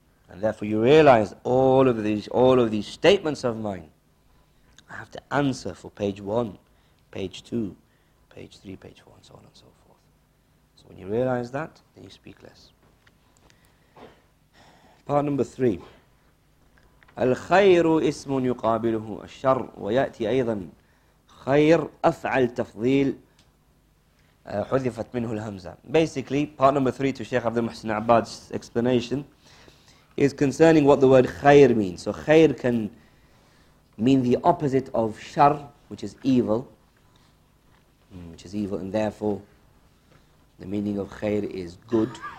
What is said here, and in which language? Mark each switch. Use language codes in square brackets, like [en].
[en] And therefore you realize all of these statements of mine, I have to answer for page 1, page 2, page 3, page 4, and so on and so forth. So when you realize that, then you speak less. Part number 3. [ar] الخير اسم يقابله الشر ويأتي أيضا خير أفعل تفضيل حذفت منه الهمزة. [en] Basically, part number 3 to Sheikh Abdul Muhsin Abad's explanation is concerning what the word خير means. So خير can mean the opposite of شر, which is evil, and therefore the meaning of خير is good.